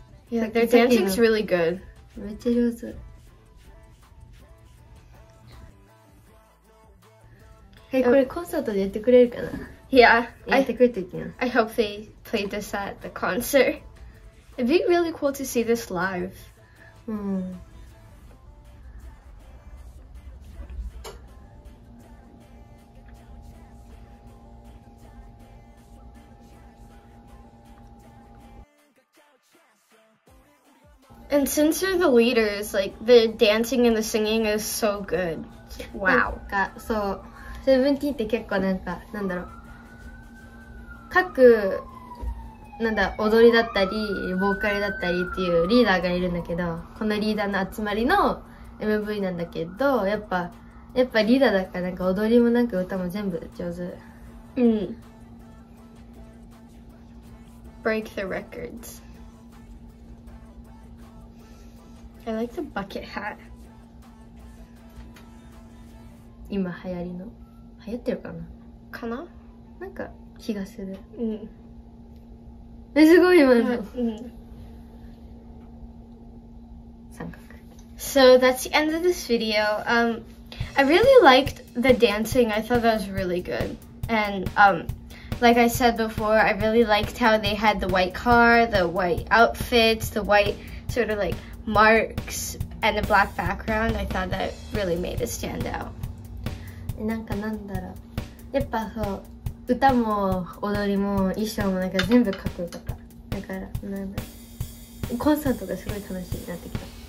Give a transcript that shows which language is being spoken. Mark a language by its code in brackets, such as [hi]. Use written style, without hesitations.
[en] Yeah, their dancing's really good. [ja] めっちゃ上手。これコンサートでやってくれるかな。 [en] Yeah, [ja] やってくれていいな。 [en] I hope they play this at the concert. It'd be really cool to see this live. And since they're the leaders, like the dancing and the singing is so good. Wow. So. [ja] セブンティーンって結構なんか、なんだろう、各なんだ踊りだったりボーカルだったりっていうリーダーがいるんだけど、このリーダーの集まりの MV なんだけど、やっぱリーダーだからなんか踊りもなんか歌も全部上手。うん。 [en] Break the records. I like the bucket hat. [ja] 今流行りの。流行ってるかな。かな。なんか気がする。うん。え、すごい今の。うん。三角。 [en] So that's the end of this video. I really liked the dancing. I thought that was really good. And like I said before, I really liked how they had the white car, the white outfits, the white sort of like marks, and the black background. I thought that really made it stand out. [ja] なんかなんだろう、やっぱそう、歌も踊りも衣装もなんか全部かっこよかった。だからなんだろう、コンサートがすごい楽しいになってきた。